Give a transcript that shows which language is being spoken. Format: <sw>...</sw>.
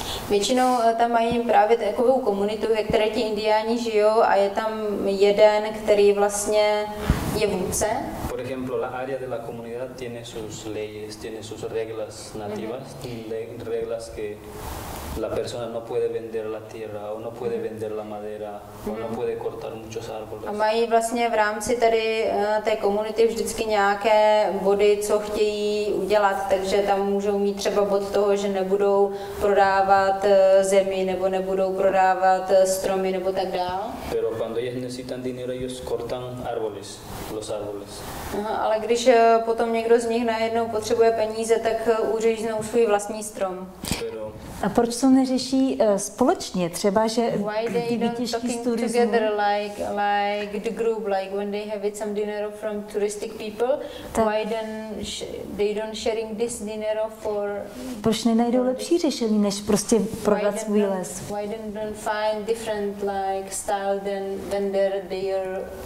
<cs>Většinou tam mají právě takovou komunitu, ve které ti indiáni žijou a je tam jeden, který vlastně je vůdce.</cs> <es>Por ejemplo, la área de la comunidad tiene sus leyes, tiene sus reglas nativas, reglas que la persona no puede vender la tierra o no puede vender la madera o no puede cortar muchos árboles.</es> <cs>A mají vlastně v rámci tady té komunity vždycky nějaké body, co chtějí udělat, takže tam můžou mít třeba bod toho, že nebudou prodávat zemi nebo nebudou prodávat stromy nebo tak dál.</cs> <es>Pero cuando ellos necesitan dinero, ellos cortan árboles, los árboles.</es> <cs>Ale když potom někdo z nich najednou potřebuje peníze, tak uříznou svůj vlastní strom. A proč to neřeší společně? Třeba, že kdyby těžký turismu...</cs> <en>Together like the group, like when they have it some dinero from touristic people, tak. Why then they don't sharing this dinero for...</en> <cs>Proč nenajdou lepší řešení, než prostě prodat svůj les?</cs> <en>Why then don't find different like style than vender their...</en>